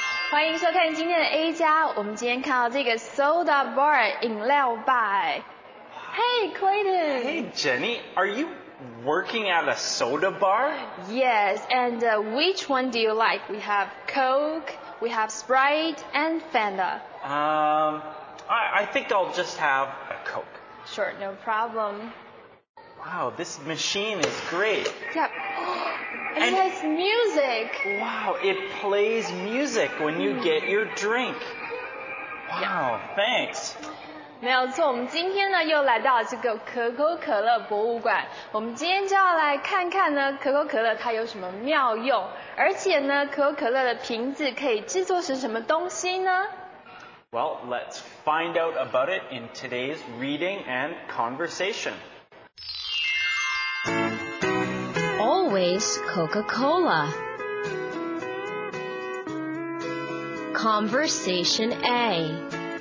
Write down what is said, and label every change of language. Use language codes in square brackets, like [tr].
[zh] 欢迎收看今天的 A 加，我们今天看到这个 Soda Bar 饮料吧。 [en] Hey Clayton. Hey Jenny, are you working at a soda bar? Yes, and which one do you like? We have Coke, we have Sprite and Fanta. I think I'll just have a Coke. Sure, no problem. Wow, this machine is great. Yep. And it has music. Wow, it plays music when you get your drink. Wow, yeah. Thanks. [zh] 没有错，我们今天呢又来到这个可口可乐博物馆。我们今天就要来看看呢可口可乐它有什么妙用，而且呢可口可乐的瓶子可以制作成什么东西呢？ [en] Well, let's find out about it in today's reading and conversation. Always Coca-Cola. Conversation A.